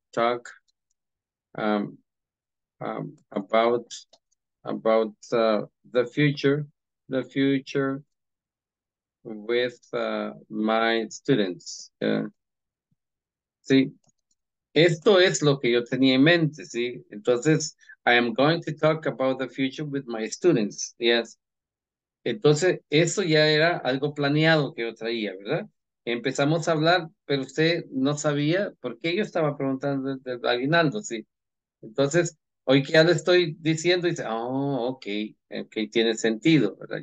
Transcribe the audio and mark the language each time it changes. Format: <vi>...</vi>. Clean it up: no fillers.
<en>talk about the future with my students.</en> <es>Sí, esto es lo que yo tenía en mente, sí. Entonces,</es> <en>I am going to talk about the future with my students. Yes.</en> <es>Entonces, eso ya era algo planeado que yo traía, ¿verdad? Empezamos a hablar, pero usted no sabía por qué yo estaba preguntando del aguinaldo, ¿sí? Entonces, hoy que ya le estoy diciendo, dice, oh, ok, ok, tiene sentido, ¿verdad?</es>